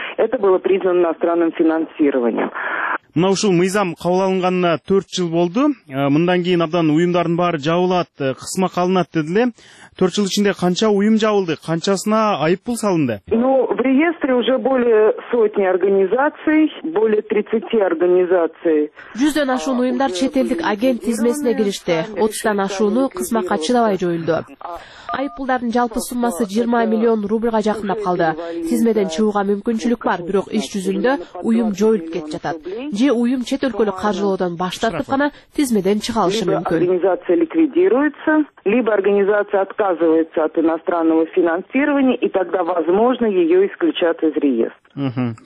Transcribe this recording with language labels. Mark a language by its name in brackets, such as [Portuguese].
[Russian] Это было признано иностранным финансированием. [Kyrgyz] Мына ушул мыйзам кабыл алынганына 4 жыл болду. Мындан кийин абдан уюмдардын баары жабылат, кысмак алынат деди эле. 4 жыл ичинде канча уюм жабылды, канчасына айып пул салынды? [Russian] В реестре уже более сотни организаций, более 30 организаций. [Kyrgyz] 100-дөн ашуун уюмдар чет элдик агент тизмесине киришти. 30-дан ашууну кызматка чыдабай жоюлду. Айыппулдардын жалпы суммасы 20 миллион рубльга жакындап калды. Тизмеден чыгууга мүмкүнчүлүк бар, бирок иш жүзүндө уюм жоюлуп кетип жатат. Же уюм чет өлкөлүк каржылоодон баш тартып гана тизмеден чыга алышы мүмкүн. [Russian] Организация ликвидируется, либо организация отказывается от иностранного финансирования, и тогда возможно её исключат из реестра.